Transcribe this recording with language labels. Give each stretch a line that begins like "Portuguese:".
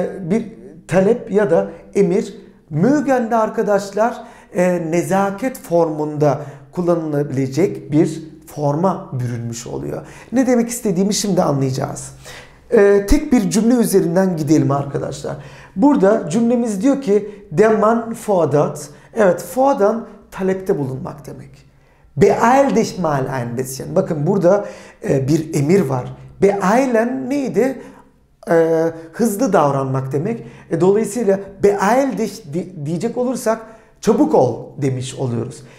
Turkish: Bir talep ya da emir. Mögen de arkadaşlar nezaket formunda kullanılabilecek bir forma bürünmüş oluyor. Ne demek istediğimi şimdi anlayacağız. Tek bir cümle üzerinden gidelim arkadaşlar. Burada cümlemiz diyor ki
German: der Mann fordert.
Turkish: Evet, fordern talepte bulunmak demek.
German: Beeil dich mal ein bisschen.
Turkish: Bakın burada bir emir var. Beeilen neydi? Hızlı davranmak demek. Dolayısıyla
German: beeil dich
Turkish: diyecek olursak çabuk ol demiş oluyoruz.